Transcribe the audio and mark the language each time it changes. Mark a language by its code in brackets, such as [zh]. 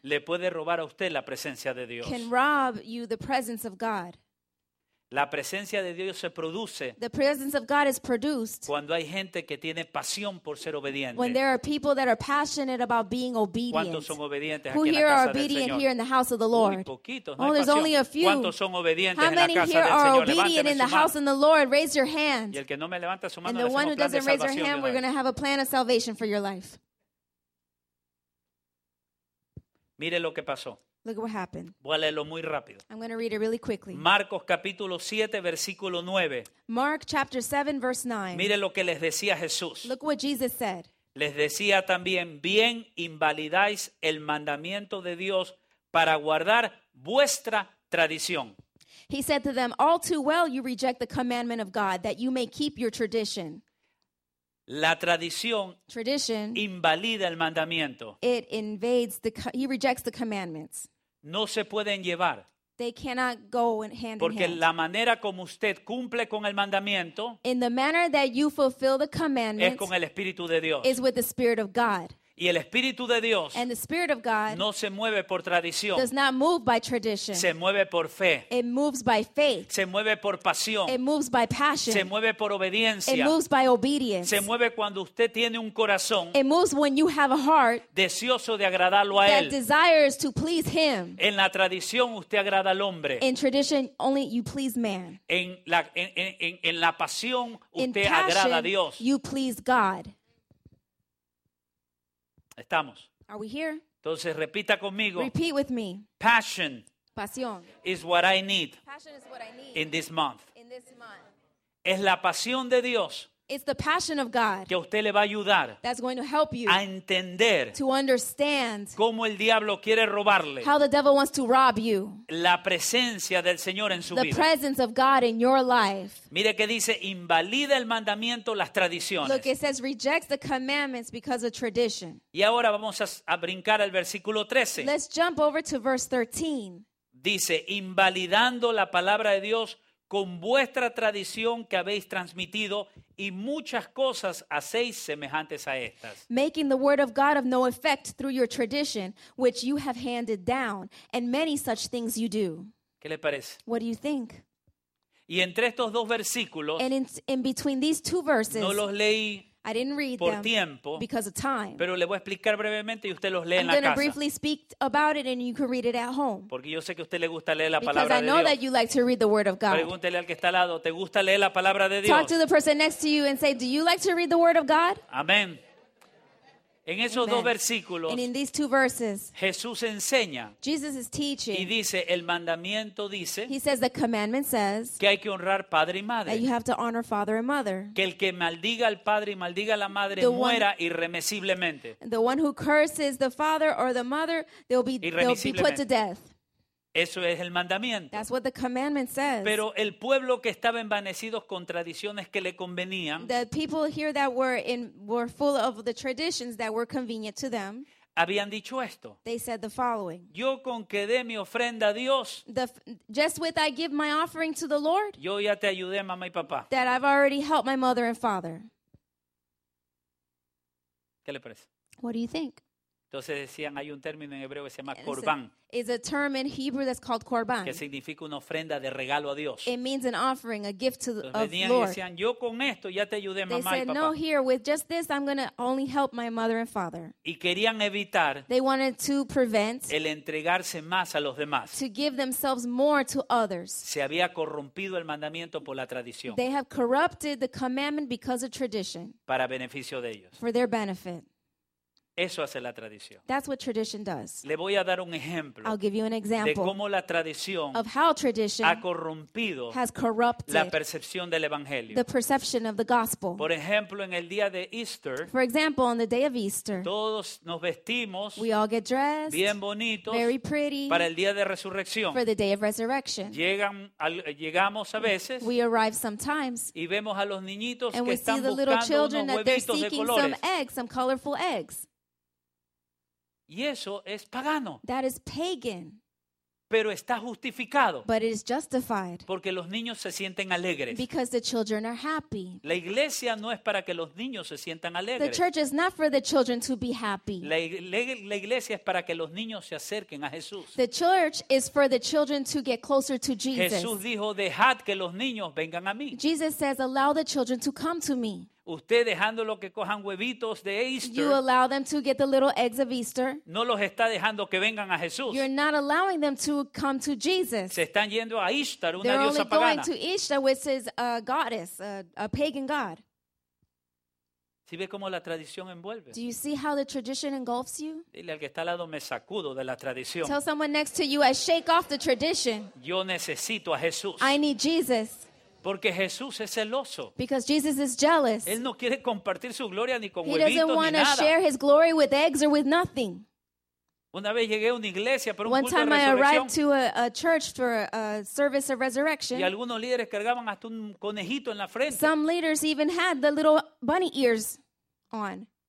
[es] Le puede robar a usted la presencia de Dios. [en] Can rob you the presence of God. [es] La presencia de Dios se produce. [en] The presence of God is produced. [es] Cuando hay gente que tiene pasión por ser obediente. [en] When there are people that are passionate about being obedient. [es] ¿Cuántos son obedientes aquí en la casa del Señor? [en] Who here are obedient here in the house of the Lord? [es] Muy poquitos, no hay pasión. [en] Only a few. [es] ¿Cuántos son obedientes en la casa del Señor? [en] How many here are obedient in the house of the Lord? Raise your hand. [es] Y el que no me levanta su mano, [en] and the one who doesn't raise their hand, we're going to have a plan of salvation for your life. [es] Mire lo que pasó. [en] Look at what happened. [es] Voy a leerlo muy rápido. [en] I'm going to read it really quickly. [es] Marcos capítulo 7 versículo 9. [en] Mark chapter 7 verse 9. [es] Mire lo que les decía Jesús. [en] Look what Jesus said. [es] Les decía también, bien invalidáis el mandamiento de Dios para guardar vuestra tradición. [en] He said to them, all too well you reject the commandment of God that you may keep your tradition. [es] La tradición [en] tradition, [es] invalida el mandamiento. [en] It invades the he rejects the commandments. [es] No se pueden llevar. [en] They cannot go hand in hand. [es] Porque la manera como usted cumple con el mandamiento [en] in the manner that you fulfill the commandments [es] es con el Espíritu de Dios. [en] Is with the Spirit of God. [es] Y el Espíritu de Dios [en] and the Spirit of God [es] no se mueve por tradición. [en] Does not move by tradition. [es] Se mueve por fe. [en] It moves by faith. [es] Se mueve por pasión. [en] It moves by passion. [es] Se mueve por obediencia. [en] It moves by obedience. [es] Se mueve cuando usted tiene un corazón. [en] It moves when you have a heart [es] deseoso de agradarlo a él. [en] That desires to please him. [es] En la tradición usted agrada al hombre. [en] In tradition only you please man. [es] En la pasión usted agrada a Dios. [en] You please God. [es] Estamos. [en] Are we here? [es] Entonces repita conmigo. [en] Repeat with me. Passion. [es] Pasión. [en] Is what I need. Passion is what I need. In this month. In this month. [es] Es la pasión de Dios. [en] It's the passion of God. [es] Que usted le va a ayudar. [en] That's going to help you. [es] A entender. [en] To understand. [es] Cómo el diablo quiere robarle. [en] How the devil wants to rob you. [es] La presencia del Señor en su [en] vida. The presence of God in your life. [es] Mire que dice, invalida el mandamiento, las tradiciones. [en] Look, it says, rejects the commandments because of tradition. [es] Y ahora vamos a brincar al versículo 13. [en] Let's jump over to verse 13. [es] Dice, invalidando la palabra de Dios con vuestra tradición que habéis transmitido y muchas cosas hacéis semejantes a estas. [en] Making the word of God of no effect through your tradition, which you have handed down, and many such things you do. [es] ¿Qué le parece? [en] What do you think? [es] Y entre estos dos versículos, [en] and in between these two verses, [es] no los leí. [en] I didn't read [es] por [en] them [es] tiempo, [en] because of time. [es] Pero le voy a explicar brevemente y usted los lee [en] I'm [es] en la casa. [en] I'm going to briefly speak about it and you can read it at home. [es] Porque yo sé que a usted le gusta leer la palabra de Dios. [en] Because I know that you like to read the word of God. [es] Pregúntele al que está al lado, ¿te gusta leer la palabra de Dios? [en] Talk to the person next to you and say, do you like to read the word of God? [es] Amén. En esos Amen. Dos versículos, [en] and in these two verses, [es] Jesús enseña. [en] Jesus is teaching. [es] Y dice, el mandamiento dice, [en] he says the commandment says, [es] que hay que honrar padre y madre. [en] That you have to honor father and mother. [es] Que el que maldiga al padre y maldiga a la madre the muera one, irremisiblemente. [en] The one who curses the father or the mother, they'll be put to death. [es] Eso es el mandamiento. [en] That's what the commandment says. [es] Pero el pueblo que estaba envanecidos con tradiciones que le convenían, [en] the people here that were full of the traditions that were convenient to them, [es] habían dicho esto. [en] They said the following. [es] Yo con que dé mi ofrenda a Dios. [en] Just with I give my offering to the Lord. [es] Yo ya te ayudé, mamá y papá. [en] That I've already helped my mother and father. [es] ¿Qué le parece? [en] What do you think? [es] Entonces decían, hay un término en hebreo que se llama korban. [en] It's a term in Hebrew that's called korban. [es] Que significa una ofrenda de regalo a Dios. [en] It means an offering, a gift to the Lord. [es] Venían y decían, yo con esto ya te ayudé, mamá y papá. [en] They said, no, here, with just this, I'm going to only help my mother and father. [es] Y querían evitar [en] they wanted to prevent [es] el entregarse más a los demás. [en] To give themselves more to others. [es] Se había corrompido el mandamiento por la tradición. [en] They have corrupted the commandment because of tradition. [es] Para beneficio de ellos. [en] For their benefit. [es] Eso hace la tradición. [en] That's what tradition does. [es] Le voy a dar un ejemplo. [en] I'll give you an example. [es] De cómo la tradición [en] of how tradition [es] ha corrompido [en] has corrupted [es] la percepción del evangelio. [en] The perception of the gospel. [es] Por ejemplo, en el día de Easter. [en] For example, on the day of Easter. [es] Todos nos vestimos. [en] We all get dressed. [es] Bien bonitos. [en] Very pretty. [es] Para el día de resurrección. [en] For the day of resurrection. [es] Llegamos a veces. [en] We arrive sometimes. [es] Y vemos a los niñitos [en] and [es] que [en] we [es] están [en] see the [es] buscando unos huevitos [en] that seeking [es] de colores. [en] Some eggs, some colorful eggs. [es] Y eso es pagano. [en] That is pagan. [es] Pero está justificado. [en] But it is justified. [es] Porque los niños se sienten alegres. [en] Because the children are happy. [es] La iglesia no es para que los niños se sientan alegres. [en] The church is not for the children to be happy. [es] La iglesia es para que los niños se acerquen a Jesús. [en] The church is for the children to get closer to Jesus. [es] Jesús dijo, "Dejad que los niños vengan a mí." [en] Jesus says, "Allow the children to come to me." [es] Usted dejándolo que cojan huevitos de Easter. [en] You allow them to get the little eggs of Easter. [es] No los está dejando que vengan a Jesús. [en] You're not allowing them to come to Jesus. [es] Se están yendo a Ishtar, una [en] They're [es] diosa [en] only [es] pagana. [en] They're going to Ishtar, which is a goddess, a pagan god. [es] ¿Sí ve cómo la tradición envuelve? [en] Do you see how the tradition engulfs you? [es] Dile al que está al lado, me sacudo de la tradición. [en] Tell someone next to you, I shake off the tradition. [es] Yo necesito a Jesús. [en] I need Jesus. [es] Porque Jesús es celoso. [en] Because Jesus is jealous. [es] Él no quiere compartir su gloria ni con huevitos ni nada. [en] He doesn't want to share his glory with eggs or with nothing. [es] Una vez llegué a una iglesia para un culto de resurrección. [en] One time I arrived to a church for a service of resurrection. [es] Y algunos líderes cargaban hasta un conejito en la frente. [en] Some leaders even had the little bunny ears on.